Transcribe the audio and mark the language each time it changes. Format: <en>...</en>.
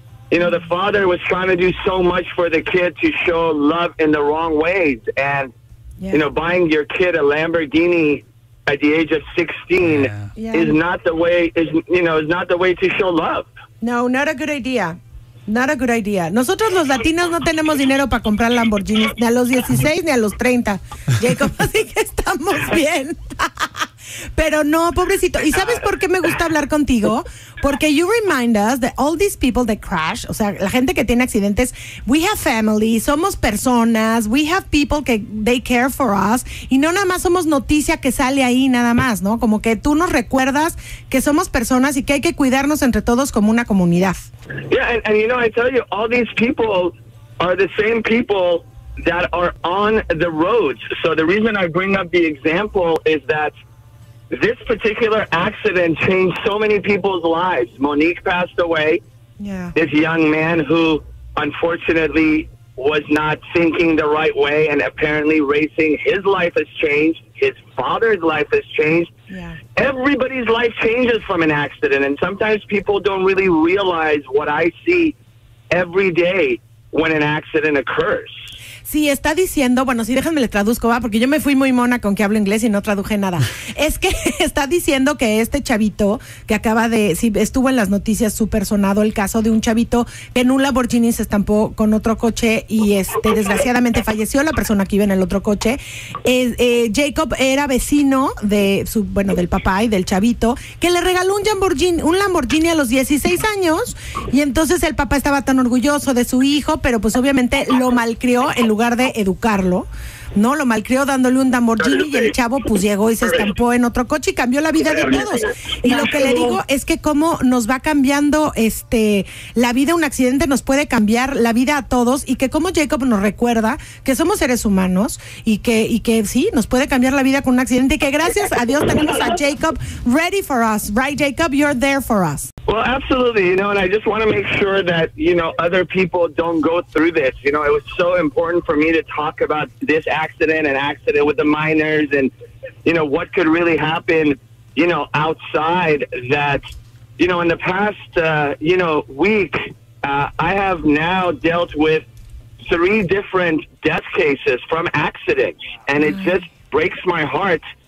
<en>The father was trying to do so much for the kid to show love in the wrong ways. And, buying your kid a Lamborghini at the age of 16 is not the way to show love. No, not a good idea. Not a good idea.</en> <es>Nosotros los latinos no tenemos dinero para comprar Lamborghinis, ni a los 16 ni a los 30. Jacob, así que estamos bien. Pero no, pobrecito. ¿Y sabes por qué me gusta hablar contigo? Porque</es> <en>you remind us that all these people that crash,</en> <es>o sea, la gente que tiene accidentes,</es> <en>we have family,</en> <es>somos personas,</es> <en>we have people</en> <es>que</es> <en>they care for us,</en> <es>y no nada más somos noticia que sale ahí nada más, ¿no? Como que tú nos recuerdas que somos personas y que hay que cuidarnos entre todos como una comunidad.</es> <en>Yeah, and I tell you, all these people are the same people that are on the roads. So the reason I bring up the example is that this particular accident changed so many people's lives. Monique passed away. Yeah. This young man who unfortunately was not thinking the right way and apparently racing, his life has changed. His father's life has changed. Yeah. Everybody's life changes from an accident. And sometimes people don't really realize what I see every day when an accident occurs.</en> <es>Sí, está diciendo, bueno, sí, déjame le traduzco, va, porque yo me fui muy mona con que hablo inglés y no traduje nada. Es que está diciendo que este chavito que acaba de, sí, estuvo en las noticias súper sonado el caso de un chavito que en un Lamborghini se estampó con otro coche y desgraciadamente falleció la persona que iba en el otro coche. Jacob era vecino de del papá y del chavito, que le regaló un Lamborghini a los 16 años, y entonces el papá estaba tan orgulloso de su hijo, pero pues obviamente lo malcrió en lugar de educarlo, ¿no? Lo malcrió dándole un Lamborghini y el chavo pues llegó y se estampó en otro coche y cambió la vida de todos. Y lo que le digo es que cómo nos va cambiando la vida, un accidente nos puede cambiar la vida a todos, y que como Jacob nos recuerda que somos seres humanos y que sí, nos puede cambiar la vida con un accidente, y que gracias a Dios tenemos a Jacob</es> <en>ready for us. Right, Jacob? You're there for us. Well, absolutely, you know, and I just want to make sure that, you know, other people don't go through this. You know, it was so important for me to talk about this accident, an accident with the minors, and, you know, what could really happen, you know, outside that, you know, in the past, you know, week, I have now dealt with 3 different death cases from accidents, and it just breaks my heart</en>